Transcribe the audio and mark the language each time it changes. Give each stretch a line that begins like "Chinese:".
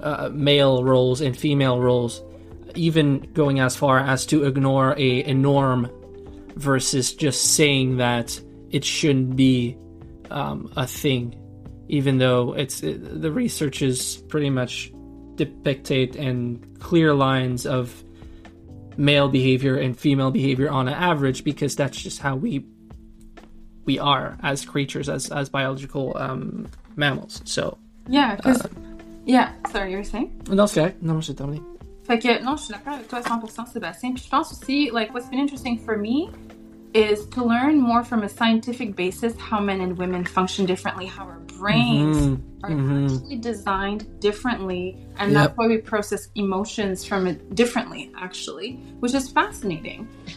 English: male roles and female roles, even going as far as to ignore a norm versus just saying that it shouldn't be a thing, even though the research is pretty much dictate and clear lines of male behavior and female behavior on an average, because that's just how we are as creatures, as biological mammals. So
French: Fait que non, je suis d'accord avec toi 100%, Sébastien. Puis je pense aussi,
English: like, what's been interesting for me is to learn more from a scientific basis how men and women function differently, how our brains actually designed differently, and that's why we process emotions from it differently, actually, which is fascinating.